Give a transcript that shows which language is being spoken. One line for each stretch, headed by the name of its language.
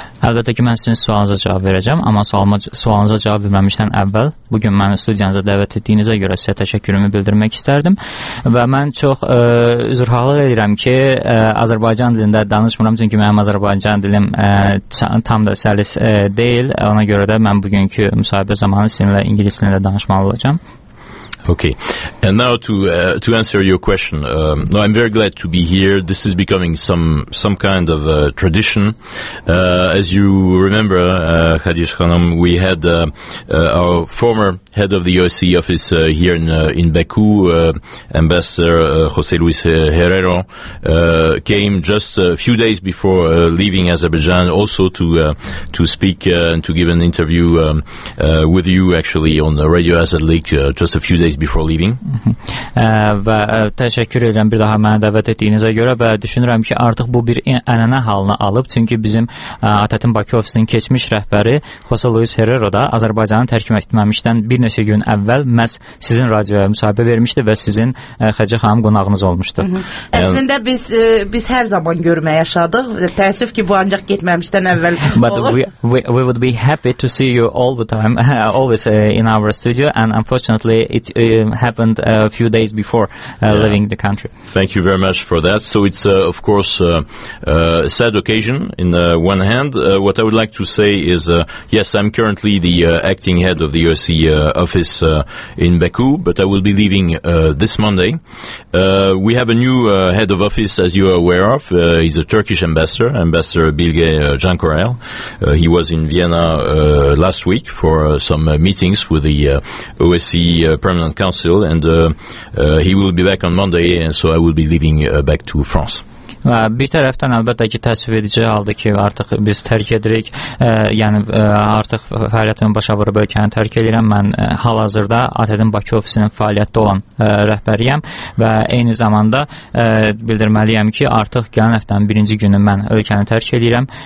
Azerbaijani: Əlbəttə ki, mən sizin sualınıza cavab verəcəm, amma sualınıza cavab verməmişdən əvvəl bugün mən studiyanıza dəvət etdiyinizə görə sizə təşəkkürümü bildirmək istərdim və mən çox üzrxahlıq edirəm ki, Azərbaycan dilində danışmıram, çünki mənim Azərbaycan dilim tam da səlis deyil, ona görə də mən bugünkü müsahibə zamanı sizinlə ingilis dilində danışmalı olacağım.
English: Okay, and now to answer your question. No, I'm very glad to be here. This is becoming some kind of a tradition. As you remember, Khadija Khanam, we had our former head of the OSCE office here in Baku, Ambassador José Luis Herrero, came just a few days before leaving Azerbaijan, also to speak and to give an interview with you, actually, on the Radio Azadlıq, just a few days before leaving.
Azerbaijani: Və təşəkkür edirəm bir daha mənə dəvət etdiyinizə görə və düşünürəm ki, artıq bu bir ənənə halını alıb, çünki bizim ATƏT-in Bakı ofisinin keçmiş rəhbəri José Luis Herrero da Azərbaycanı tərk etməmişdən bir neçə gün əvvəl məhz sizin radioya müsahibə vermişdi və sizin Xəcə xanım qonağınız olmuşdu. Əslində biz hər zaman görmə yaşadıq. Təəssüf ki, bu ancaq getməmişdən əvvəl
English: but
Azerbaijani: olur.
English: We would be happy to see you all the time, always in our studio, and unfortunately it happened a few days before leaving the country. Thank you very much for that. So it's, of course, a sad occasion in one hand. What I would like to say is, yes, I'm currently the acting head of the OSC office in Baku, but I will be leaving this Monday. We have a new head of office, as you are aware of. He's a Turkish ambassador, Ambassador Bilge Jankorel. He was in Vienna last week for some meetings with the OSC Permanent Council, and he will be back on Monday, and so I will be leaving back to France.
Azerbaijani: Bir tərəfdən əlbəttə ki, təəssüf edici aldı ki, artıq biz tərk edirik, yəni artıq fəaliyyətimi başa vurub ölkəni tərk edirəm. Mən hal-hazırda ATƏD-in Bakı ofisinin fəaliyyətdə olan rəhbəriyəm və eyni zamanda bildirməliyəm ki, artıq gələn həftənin birinci günü mən ölkəni tərk edirəm.